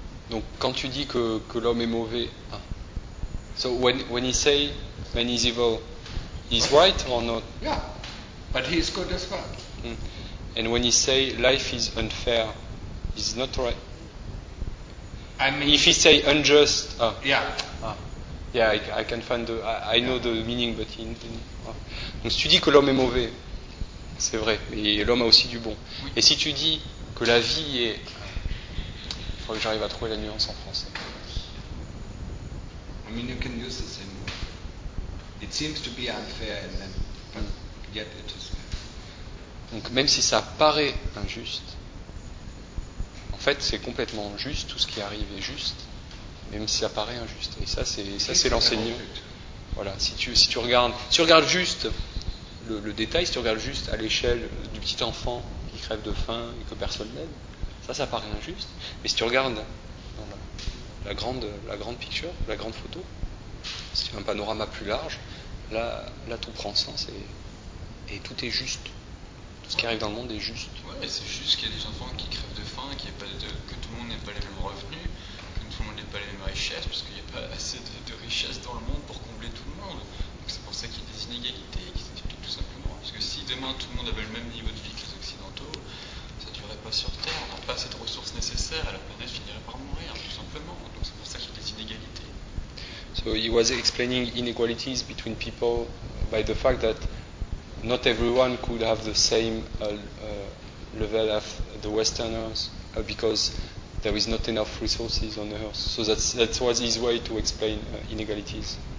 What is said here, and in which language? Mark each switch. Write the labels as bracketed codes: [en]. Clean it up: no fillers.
[fr] Donc quand tu dis que l'homme est mauvais, ah. [en] So when he say man is evil, he's right or not? Yeah, but he is good as well. Mm. And when he say life is unfair, he's not right. I mean, if he say unjust, I can find the I know the meaning, but in [fr] Donc si tu dis que l'homme est mauvais, c'est vrai, et l'homme a aussi du bon. Oui. Et si tu dis que la vie est... Il faut que j'arrive à trouver la nuance en français. [en] I mean, you can use the same word. It seems to be unfair, and then, but yet it is fair. [fr] Donc même si ça paraît injuste, en fait c'est complètement juste, tout ce qui arrive est juste, même si ça paraît injuste. Et ça c'est l'enseignement. Voilà, si tu regardes juste le détail, si tu regardes juste à l'échelle du petit enfant qui crève de faim et que personne n'aide, ça paraît injuste. Mais si tu regardes dans la grande picture, la grande photo, si tu as un panorama plus large, là tout prend sens et tout est juste. Tout ce qui arrive dans le monde est juste. Ouais, c'est juste qu'il y a des enfants qui crèvent de faim, qu'il y a pas que tout le monde n'ait pas les mêmes revenus, que tout le monde n'ait pas les mêmes richesses, parce qu'il n'y a pas assez de richesses dans le monde pour tout le monde. Donc c'est pour ça qu'il y a des inégalités qui s'expliquent tout simplement. Parce que si demain tout le monde avait le même niveau de vie que les Occidentaux, ça ne durerait pas sur Terre, on n'aurait pas assez de ressources nécessaires et la planète finirait par mourir, tout simplement. Donc c'est pour ça qu'il y a des inégalités. [en] So he was explaining inequalities between people by the fact that not everyone could have the same level as the Westerners because there is not enough resources on Earth. So that was his way to explain inequalities.